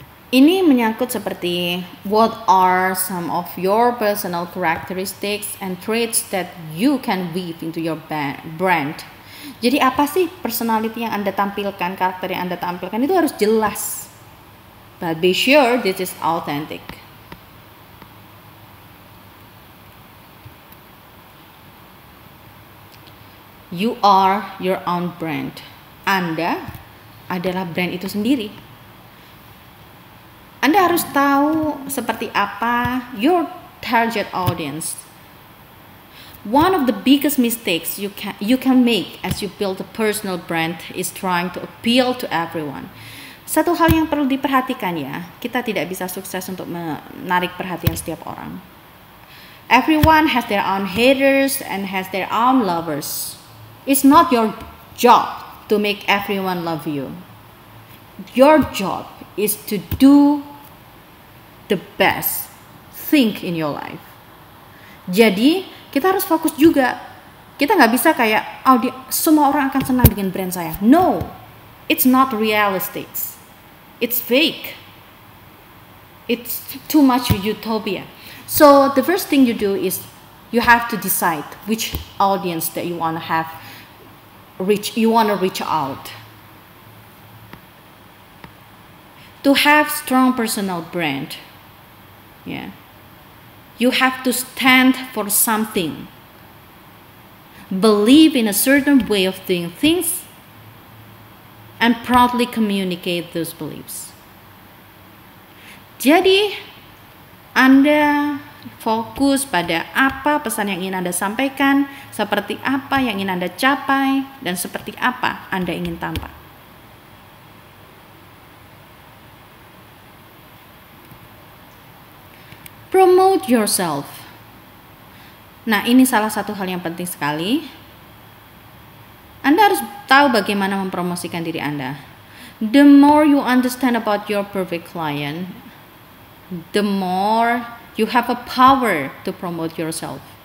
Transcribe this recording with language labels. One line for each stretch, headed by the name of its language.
Indonesian: Ini menyangkut seperti,
English: what are some of your personal characteristics and traits that you can weave into your brand?
Indonesian: Jadi apa sih personality yang Anda tampilkan, karakter yang Anda tampilkan itu harus jelas.
English: But be sure this is authentic. You are your own brand.
Indonesian: Anda adalah brand itu sendiri. Anda harus tahu seperti apa
English: your target audience. One of the biggest mistakes you can make as you build a personal brand is trying to appeal to everyone.
Indonesian: Satu hal yang perlu diperhatikan ya, kita tidak bisa sukses untuk menarik perhatian setiap orang.
English: Everyone has their own haters and has their own lovers. It's not your job to make everyone love you. Your job is to do the best thing in your life.
Indonesian: Jadi kita harus fokus juga. Kita gak bisa kayak semua orang akan senang dengan brand saya.
English: No, it's not realistic. It's fake. It's too much utopia. So the first thing you do is you have to decide which audience that you want to have reach. You want to reach out. To have strong personal brand, yeah, you have to stand for something. Believe in a certain way of doing things and proudly communicate those beliefs. Jadi,
Indonesian: Anda fokus pada apa pesan yang ingin Anda sampaikan, seperti apa yang ingin Anda capai, dan seperti apa Anda ingin tampak.
English: Promote yourself.
Indonesian: Nah, ini salah satu hal yang penting sekali. Anda harus tahu bagaimana mempromosikan diri Anda.
English: The more you understand about your perfect client, the more you have a power to promote yourself.